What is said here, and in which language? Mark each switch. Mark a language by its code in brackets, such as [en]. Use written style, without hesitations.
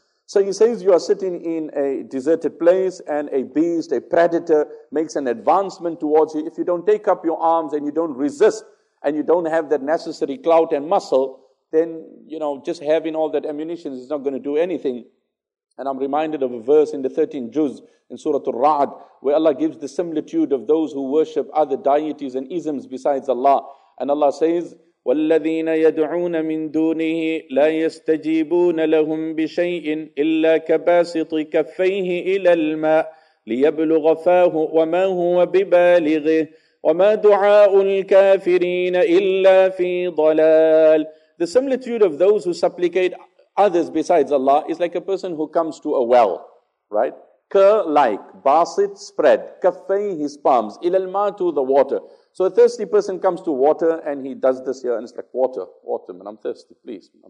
[en] So he says you are sitting in a deserted place and a beast, a predator, makes an advancement towards you. If you don't take up your arms and you don't resist and you don't have that necessary clout and muscle, then, you know, just having all that ammunition is not going to do anything. And I'm reminded of a verse in the 13th Juz in Surah Ar-Ra'd, where Allah gives the similitude of those who worship other deities and isms besides Allah. And Allah says, [ar] وَالَّذِينَ يَدْعُونَ مِن دُونِهِ لَا يَسْتَجِيبُونَ لَهُمْ بِشَيْءٍ إِلَّا كَبَاسِطِ كَفَّيْهِ إِلَى الْمَاءِ لِيَبْلُغَ فَاهُ وَمَا هُوَ بِبَالِغِهِ وَمَا دُعَاءُ الْكَافِرِينَ إِلَّا فِي ضَلَالٍ. [en] The similitude of those who supplicate others besides Allah is like a person who comes to a well, right? Ka-like, basit, spread, kafay, his palms, ilalma, to the water. So a thirsty person comes to water and he does this here and it's like, water, man, I'm thirsty, please.